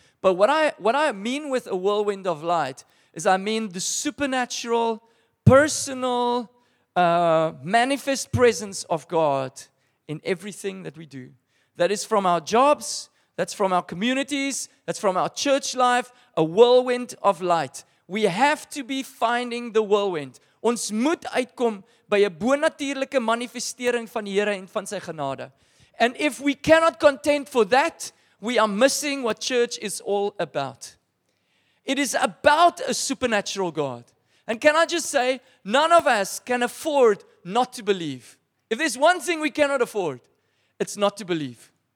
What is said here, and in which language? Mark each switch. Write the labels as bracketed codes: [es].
[en] But what I mean with a whirlwind of light is I mean the supernatural, personal, manifest presence of God in everything that we do. That is from our jobs, that's from our communities, that's from our church life, a whirlwind of light. We have to be finding the whirlwind. [af] Ons moet uitkom by 'n bonatuurlike manifestering van die Here en van sy genade. [en] And if we cannot contend for that, we are missing what church is all about. It is about a supernatural God. And can I just say, none of us can afford not to believe. If there's one thing we cannot afford, it's not to believe.